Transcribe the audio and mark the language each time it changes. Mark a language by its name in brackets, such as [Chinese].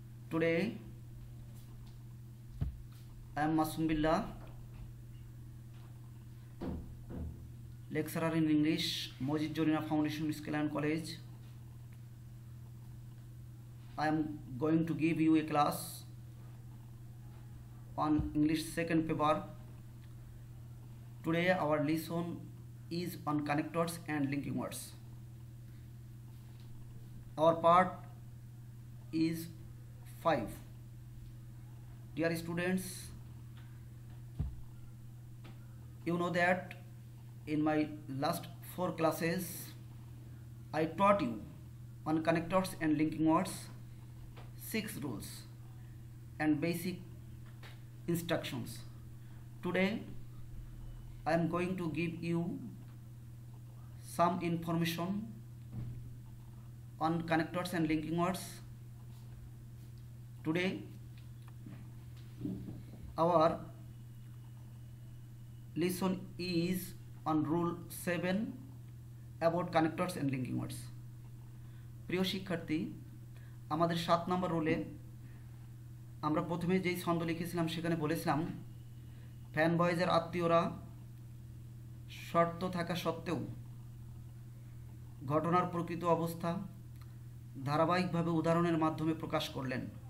[English] Today I am Masum Billah, lecturer in English, Masjid Zarina foundation school and college. I am going to give you a class on English second paper. Today our lesson is on connectors and linking words. Our part is 5. Dear students, you know that in my last four classes I taught you on connectors and linking words, six rules and basic instructions. Today I am going to give you some information on connectors and linking words. Today our lesson is on rule 7 about connectors and linking words. [Bangla] Priyo shikharthi, amader 7 number rule আমরা প্রথমে যেই ছন্দ লিখেছিলাম সেখানে বলেছিলাম fan বয়েজের আত্মীয়রা শর্ত থাকা সত্ত্বেও ঘটনার প্রকৃত অবস্থা ধারাবাহিকভাবে উদাহরণের মাধ্যমে প্রকাশ করলেন।